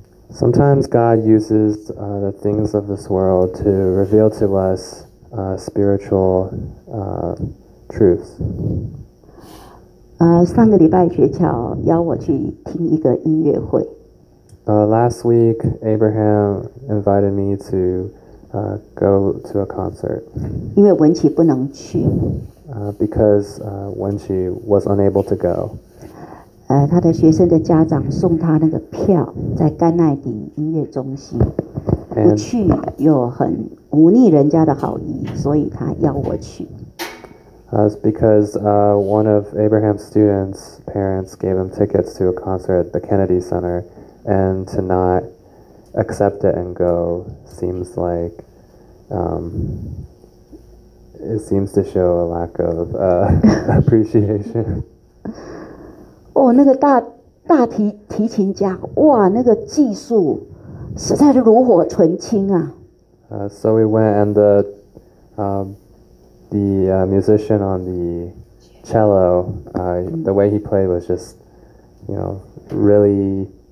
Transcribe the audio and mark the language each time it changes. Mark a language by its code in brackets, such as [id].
[en] Sometimes God uses the things of this world to reveal to us spiritual truths. [zh] 上个礼拜雪乔邀我去听一个音乐会。 [en] Last week, Abraham invited me to go to a concert. [zh] 因为文琪不能去。 [en] Because when she was unable to go. [zh] 他的学生的家长送他那个票在甘乃迪音乐中心。 And、不去又很忤逆人家的好意，所以他邀我去。 [en] That's because one of Abraham's students' parents gave him tickets to a concert at the Kennedy Center, and to not accept it and go seems like it seems to show a lack of appreciation. [zh] 哦，那个大提琴家，哇，那个技术实在是炉火纯青啊。 [en] So we went and the musician on the cello, the way he played was just, you know, really